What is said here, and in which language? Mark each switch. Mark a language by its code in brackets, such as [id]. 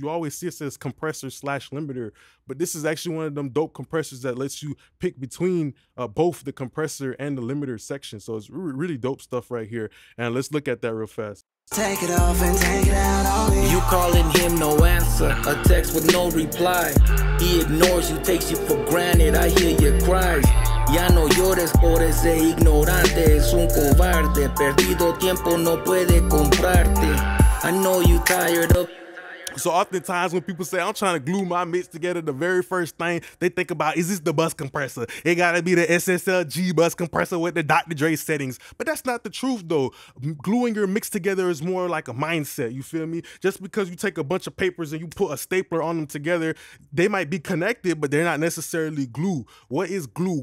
[en] You always see it says compressor / limiter, but this is actually one of them dope compressors that lets you pick between both the compressor and the limiter section. So it's really dope stuff right here. And let's look at that real fast. Take it off and take it out on me. You calling him, no answer. A text with no reply. He ignores you, takes you for granted. I hear your cries. [es] Ya no llores por ese ignorante, es un cobarde. Perdido tiempo no puede comprarte. [en] I know you tired of... So oftentimes when people say, I'm trying to glue my mix together, the very first thing they think about, is this the bus compressor? It gotta be the SSLG bus compressor with the Dr. Dre settings. But that's not the truth though. Gluing your mix together is more like a mindset, you feel me? Just because you take a bunch of papers and you put a stapler on them together, they might be connected, but they're not necessarily glue. What is glue?